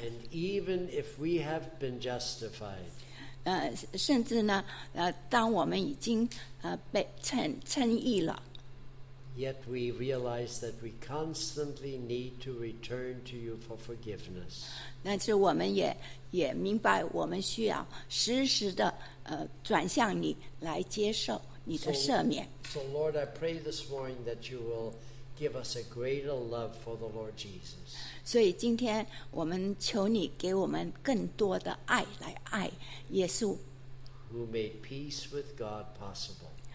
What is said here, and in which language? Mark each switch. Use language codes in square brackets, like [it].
[en] And even if we have been justified, [zh] 甚至呢，当我们已经被称义了 [en] Yet we realize that we constantly need to return to you for forgiveness. [zh] 但是我们 也明白我们需要时时的转向你来接受你的赦免。 [en] So Lord, I pray this morning that you will give us a greater love for the Lord Jesus. [zh] 所以今天我们求你给我们更多的爱来爱耶稣。 [en] Who made peace with God possible.